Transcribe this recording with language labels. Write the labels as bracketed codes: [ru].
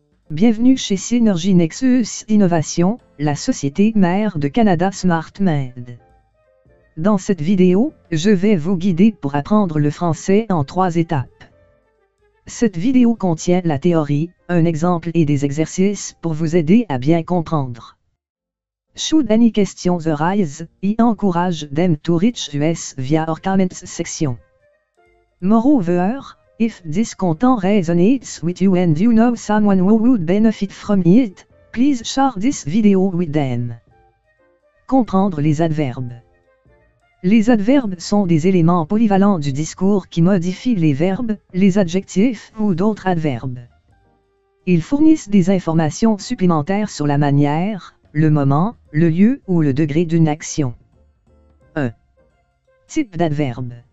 [fr] Bienvenue chez Synergy Nexus Innovation, la société mère de Canada SmartMed. Dans cette vidéo, je vais vous guider pour apprendre le français en trois étapes. Cette vidéo contient la théorie, un exemple et des exercices pour vous aider à bien comprendre. [en] Should any questions arise, I encourage them to reach us via our comments section. Moreover, if this content resonates with you and you know someone who would benefit from it, please share this video with them. [fr] Comprendre les adverbes. Les adverbes sont des éléments polyvalents du discours qui modifient les verbes, les adjectifs ou d'autres adverbes. Ils fournissent des informations supplémentaires sur la manière, le moment, le lieu ou le degré d'une action. 1. Type d'adverbe.